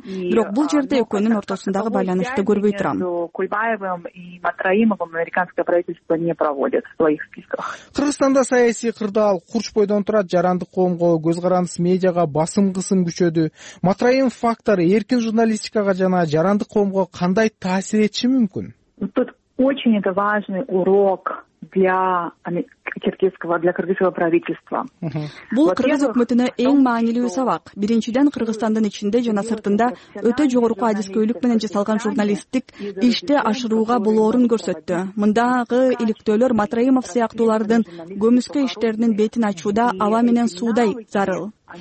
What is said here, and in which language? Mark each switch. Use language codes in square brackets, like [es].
[ky] Бирок бул жерде экөөнүн ортосундагы байланышты көрбөй турам. Кыргызстанда саясий кырдаал курчпойдон турат, жарандык коомго, көз карандысыз медиага басым кысым күчөдү. Матраимов фактору эркин журналистикага жана жарандык коомго кандай таасир этиши мүмкүн? [ru] Тут очень это важный урок для Киргизского, для кыргызского правительства. [ky] Бул кыргыз өкмөтүнө эң маанилүү сабак. Биринчиден, Кыргызстандын ичинде жана сыртында өтө жогорку адискөйлүк менен жасалган журналисттик иште ашырууга болоорун көрсөттү. Мындагы иликтөөлөр Матраимов сыяктуулардын көмүскө иштеринин бетин ачууда аба менен суудай зарыл.